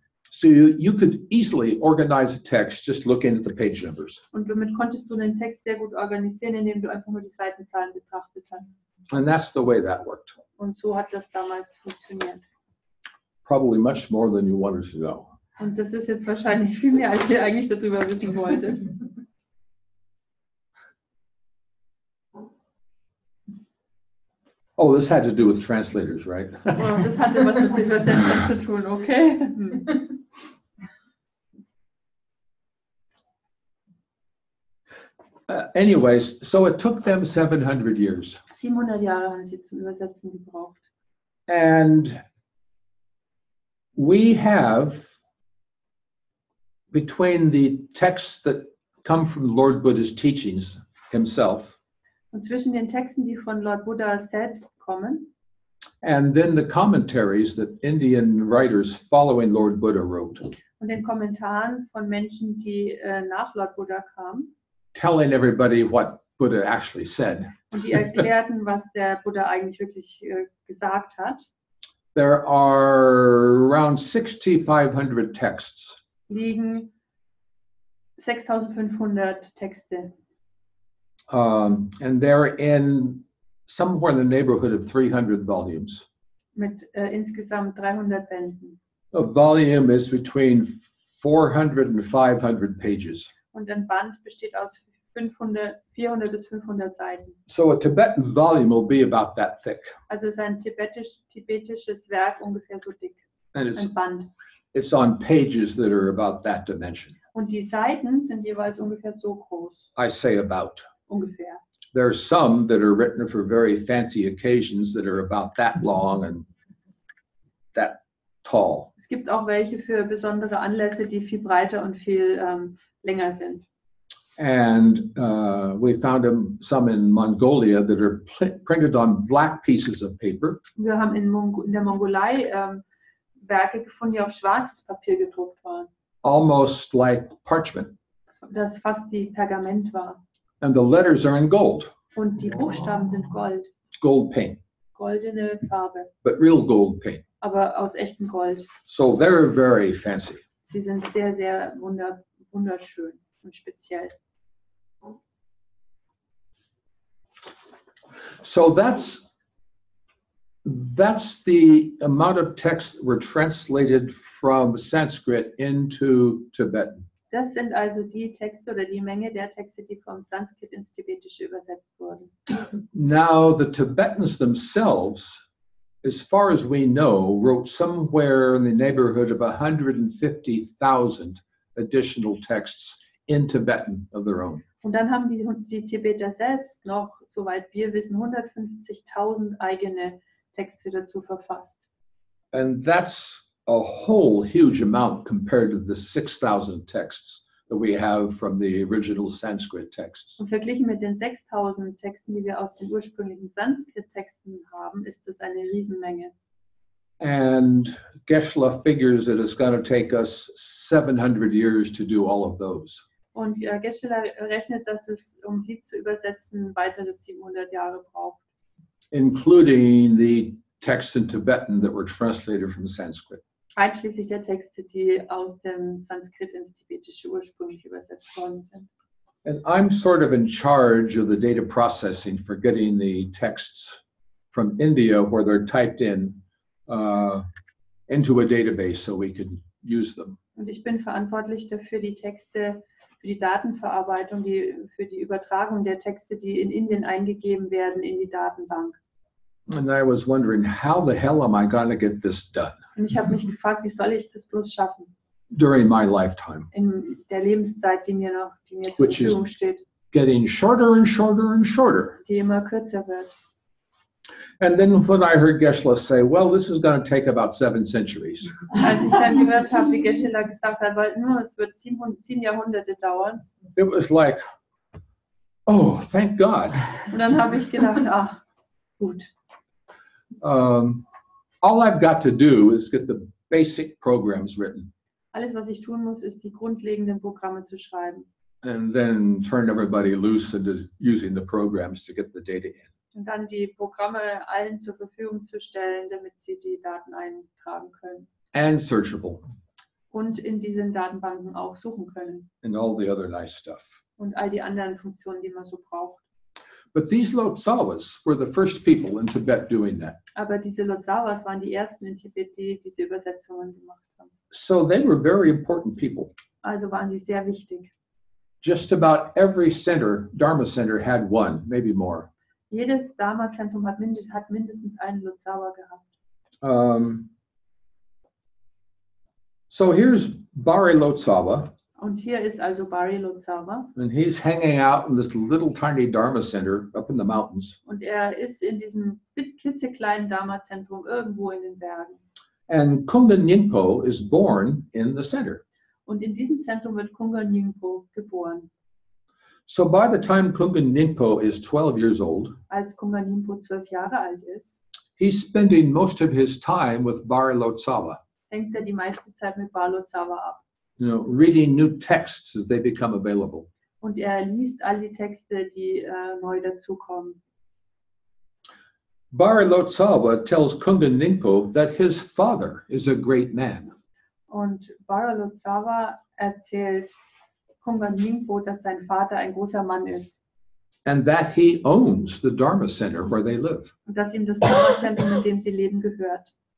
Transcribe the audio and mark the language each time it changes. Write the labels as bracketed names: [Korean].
[English] So you could easily organize a text just looking at the page numbers. [German] Und damit konntest du den Text sehr gut organisieren, indem du einfach nur die Seitenzahlen betrachtet hast. [English] And that's the way that worked. [German] Und so hat das damals funktioniert. [English] Probably much more than you wanted to know. [German] Und das ist jetzt wahrscheinlich viel mehr, als ihr eigentlich darüber wissen wolltet. [English] Oh, this had to do with translators, right? [German] Oh, das hatte was mit Übersetzern zu tun, okay? [English] Anyways, so it took them 700 years. [German] 700 Jahre haben sie zum Übersetzen gebraucht. [English] And we have between the texts that come from Lord Buddha's teachings himself. [German] Und zwischen den Texten, die von Lord Buddha selbst kommen. [English] And then the commentaries that Indian writers following Lord Buddha wrote. [German] Und den Kommentaren von Menschen, die nach Lord Buddha kamen. [English] Telling everybody what Buddha actually said. [German] Und die erklärten, was der Buddha eigentlich wirklich gesagt hat. [English] There are around 6,500 texts. [German] Liegen 6,500 Texte. [English] And they're in somewhere in the neighborhood of 300 volumes. [German] Mit insgesamt 300 Bänden. [English] A volume is between 400 and 500 pages. [German] Und ein Band besteht aus 400 bis 500 Seiten. [English] So a Tibetan volume will be about that thick. [German] Also ist ein tibetisches Werk ungefähr so dick. [English] And [German] ein Band. [English] It's on pages that are about that dimension. [German] Und die Seiten sind jeweils ungefähr so groß. [English] I say about. [German] Ungefähr. [English] There are some that are written for very fancy occasions that are about that long and that tall. [German] Es gibt auch welche für besondere Anlässe, die viel breiter und viel länger sind. [English] And we found some in Mongolia that are printed on black pieces of paper. [German] Wir haben in der Mongolei Werke gefunden, die auf schwarzes Papier gedruckt waren. [English] Almost like parchment. [German] Das fast wie Pergament war. [English] And the letters are in gold. [German] Und die Buchstaben sind gold. [English] Gold paint. [German] Goldene Farbe. [English] But real gold paint. [German] Aber aus echtem Gold. [English] So they're very fancy. [German] Sie sind sehr, sehr wunderschön und speziell. [English] So that's the amount of text were translated from Sanskrit into Tibetan. [German] Das sind also die Texte oder die Menge der Texte, die vom Sanskrit ins Tibetische übersetzt wurden. [English] Now the Tibetans themselves, as far as we know, wrote somewhere in the neighborhood of 150,000 additional texts in Tibetan of their own. [German] Und dann haben die Tibeter selbst noch, soweit wir wissen, 150,000 eigene Texte dazu verfasst. [English] And that's a whole huge amount compared to the 6,000 texts that we have from the original Sanskrit texts. [German] Und verglichen mit den 6,000 Texten, die wir aus den ursprünglichen Sanskrit-Texten haben, ist das eine Riesenmenge. [English] And Geshe-la figures that it's going to take us 700 years to do all of those. [German] Und Geshe-la rechnet, dass es, um sie zu übersetzen, weitere 700 Jahre braucht. [English] Including the texts in Tibetan that were translated from Sanskrit. [German] Einschließlich der Texte, die aus dem Sanskrit ins Tibetische ursprünglich übersetzt worden sind. [English] And I'm sort of in charge of the data processing for getting the texts from India where they're typed in into a database so we can use them. [German] Und ich bin verantwortlich dafür, die Texte, für die Datenverarbeitung, die, für die Übertragung der Texte, die in Indien eingegeben werden, in die Datenbank. [English] And I was wondering, how the hell am I going to get this done? [German] Und ich habe mich gefragt, wie soll ich das bloß schaffen? [English] During my lifetime. [German] In der Lebenszeit, die mir zur Verfügung steht. [English] Getting shorter and shorter and shorter. [German] Die immer kürzer wird. [English] And then when I heard Geshe-la say, well, this is going to take about 7 centuries. [German] Als ich dann gehört habe, wie Geshe-la gesagt hat, weil nur es wird 7 Jahrhunderte dauern. [English] It was like, oh, thank God. [German] Und dann habe ich gedacht, ach, gut. [English] All I've got to do is get the basic programs written. [German] Alles, was ich tun muss, ist, die grundlegenden Programme zu schreiben. [English] And then turn everybody loose into using the programs to get the data in. [German] Und dann die Programme allen zur Verfügung zu stellen, damit sie die Daten eintragen können. [English] And searchable. [German] Und in diesen Datenbanken auch suchen können. [English] And all the other nice stuff. [German] Und all die anderen Funktionen, die man so braucht. [English] But these Lhotsawas were the first people in Tibet doing that. [German] Aber diese Lhotsawas waren die ersten in Tibet, die diese Übersetzungen gemacht haben. [English] So they were very important people. [German] Also waren sie sehr wichtig. [English] Just about every center, Dharma center, had one, maybe more. [German] Jedes Dharma-Zentrum hat mindestens einen Lhotsawa gehabt. [English] So here's Bari Lhotsawa. [German] Und hier ist also Bari Lhotsawa. [English] And he's hanging out in this little tiny Dharma center up in the mountains. [German] Und ist in diesem klitzekleinen Dharma-Zentrum irgendwo in den Bergen. [English] And Kungan Nyingpo is born in the center. [German] Und in diesem Zentrum wird Kungan Nyingpo geboren. [English] So by the time Kungan Nyingpo is 12 years old, [German] als Kungan Nyingpo 12 Jahre alt ist, [English] he's spending most of his time with Bari Lhotsawa. [German] Hängt die meiste Zeit mit Bari Lhotsawa ab. [English] You know, reading new texts as they become available. [German] Und liest all die Texte, die neu dazukommen. [English] Bari Lhotsawa tells Kungan Nyingpo that his father is a great man. [German] Und Bari Lhotsawa erzählt Kungan Nyingpo, dass sein Vater ein großer Mann ist. [English] And that he owns the Dharma Center where they live. [German] Und dass ihm das Dharma Center, in dem sie leben, gehört.